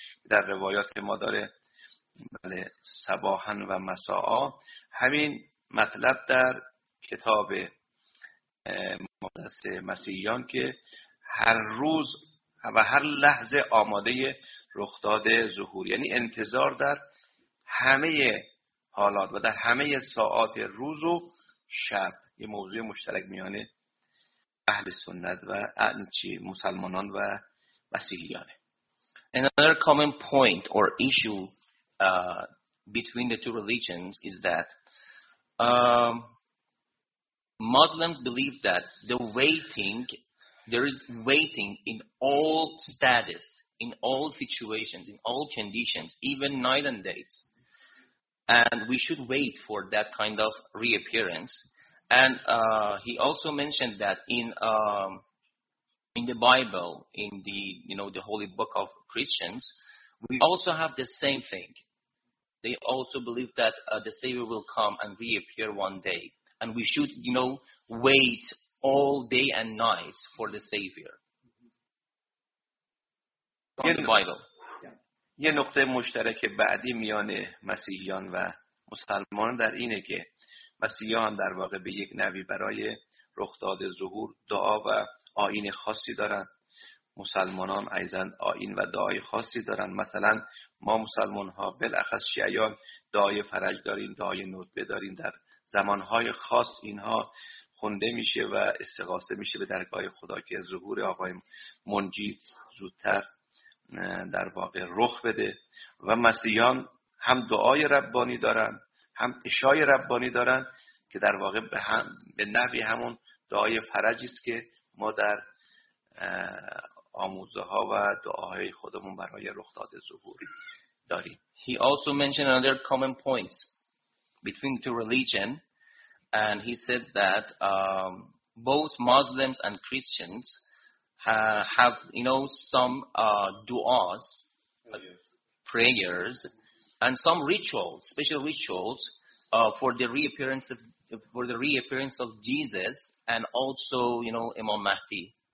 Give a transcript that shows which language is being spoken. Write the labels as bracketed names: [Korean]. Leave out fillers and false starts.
[Persian] در روایات ما داره بله [Arabic] صباحاً و مساء، [Persian] همین مطلب در کتاب مقدس مسیحیان که هر روز و هر لحظه آماده رخداد ظهور، یعنی انتظار در همه حالات و در همه ساعات روز و شب، یه موضوع مشترک میانه اهل سنت و مسلمانان و مسیحیانه. [English] Another common point or issue between the two religions is that Muslims believe that there is waiting in all status, in all situations, in all conditions, even night and days, and we should wait for that kind of reappearance. And he also mentioned that in the Bible, in the, you know, the holy book of Christians, we also have the same thing. They also believe that the Savior will come and reappear one day, and we should, you know, wait all day and night for the Savior. From the Bible. [Persian] یه نقطه مشترک بعدی میان مسیحیان و مسلمان در اینه که مسیحیان در واقع به یک نبی برای رخداد ظهور دعا و آیین خاصی دارن. مسلمانان ایزن آیین و دعای خاصی دارن. مثلا ما مسلمان ها بلخص شیعان دعای فرج داریم، دعای ندبه داریم، در زمانهای خاص اینها خونده میشه و استغاثه میشه به درگاه خدا که ظهور آقای منجی زودتر در واقع رخ بده. و مسیحیان هم دعای ربانی دارن، هم عشای ربانی دارن که در واقع به نحوی همون دعای فرجیست که ما در آموزه‌ها و دعاهای خودمون برای رخداد ظهور داریم. [English] He also mentioned another common points between two religion, and he said that both Muslims and Christians have, you know, some duas, prayers, and some rituals, special rituals for the reappearance of Jesus and also, you know, Imam Mahdi.